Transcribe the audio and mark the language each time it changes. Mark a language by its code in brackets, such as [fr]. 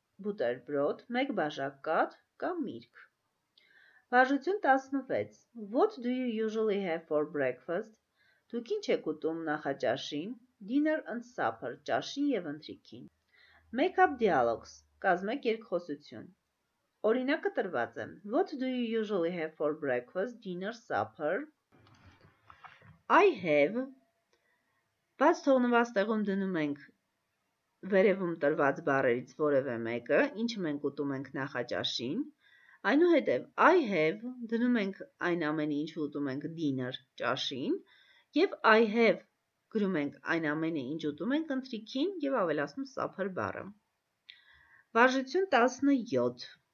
[hy] Բուտերբրոդ, 1 բաժակ կաթ կամ միրգ։ Վարժություն 16. [en] What do you usually have for breakfast? [hy] Դուք ինչ եք ուտում նախաճաշին? [en] Dinner and supper, [hy] ճաշին եւ ընթրիքին։ [en] Make up dialogues, [hy] կազմեք երկխոսություն։ Օրինակը տրված է. [en] What do you usually have for breakfast, dinner, supper? I have. [hy] Բաց թողնված տեղում դնում ենք վերևում տրված բառերից որևէ մեկը, ինչը մենք ուտում ենք նախաճաշին։ Այնուհետև [en] I have [hy] դնում ենք այն ամենը, ինչ ուտում ենք dinner, ճաշին, եւ I have գրում ենք այն ամենը, ինչ ուտում ենք ընթրիքին եւ ավելացնում supper բառը։ Վարժություն 17.